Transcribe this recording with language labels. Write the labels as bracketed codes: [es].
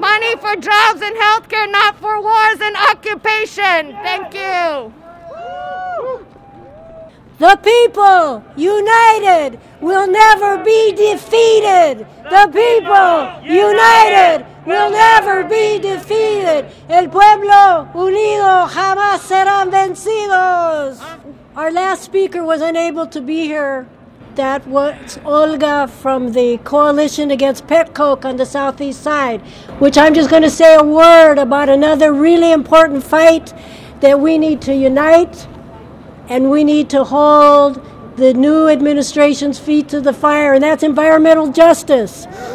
[en] Money for jobs and healthcare, not for wars and occupation! Yes. Thank you! The people united will never be defeated! The people united will never be defeated! [es] El pueblo unido jamás serán vencidos! [en] Our last speaker was unable to be here. That was Olga from the Coalition Against Petcoke on the Southeast Side, which I'm just going to say a word about another really important fight that we need to unite. And we need to hold the new administration's feet to the fire, and that's environmental justice.